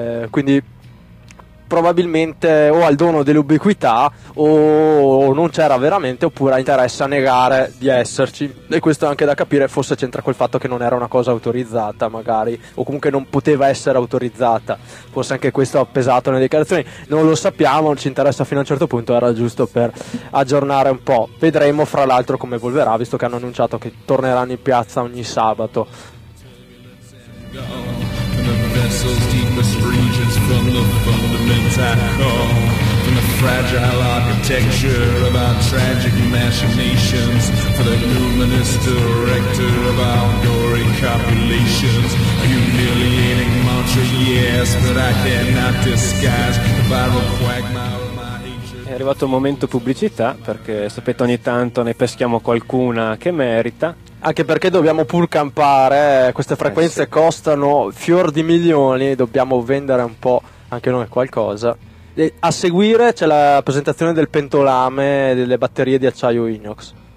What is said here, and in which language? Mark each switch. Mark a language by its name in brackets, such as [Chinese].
[Italian] quindi probabilmente o al dono dell'ubiquità o non c'era veramente, oppure ha interesse a negare di esserci, e questo anche da capire, forse c'entra col fatto che non era una cosa autorizzata magari, o comunque non poteva essere autorizzata, forse anche questo ha pesato nelle dichiarazioni, non lo sappiamo, ci interessa fino a un certo punto, era giusto per aggiornare un po', vedremo fra l'altro come evolverà, visto che hanno annunciato che torneranno in piazza ogni sabato. [English] Vessel's deepest regions from the fundaments I call, from the fragile architecture of our tragic machinations, for the luminous director of our gory copulations, a humiliating mantra, yes, but I cannot disguise the viral quagmire. [Italian] È arrivato il momento pubblicità, perché sapete, ogni tanto ne peschiamo qualcuna che merita. Anche perché dobbiamo pur campare, queste frequenze sì, costano fior di milioni, dobbiamo vendere un po' anche noi qualcosa. E a seguire c'è la presentazione del pentolame delle batterie di acciaio inox.